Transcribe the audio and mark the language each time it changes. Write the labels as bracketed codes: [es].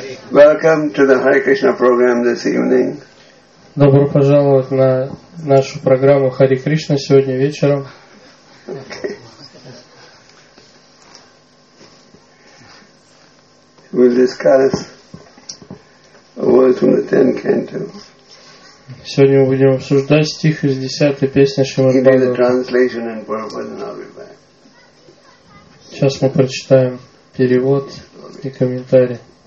[en] Welcome to the Hare Krishna program this evening. [ru] Добро пожаловать на нашу программу Хари Кришна сегодня вечером. [en] Okay. We'll discuss a word from the Ten Canto. [ru] Сегодня мы будем обсуждать стих из десятой песни Шримад-Бхагаватам. Сейчас мы прочитаем перевод и комментарий.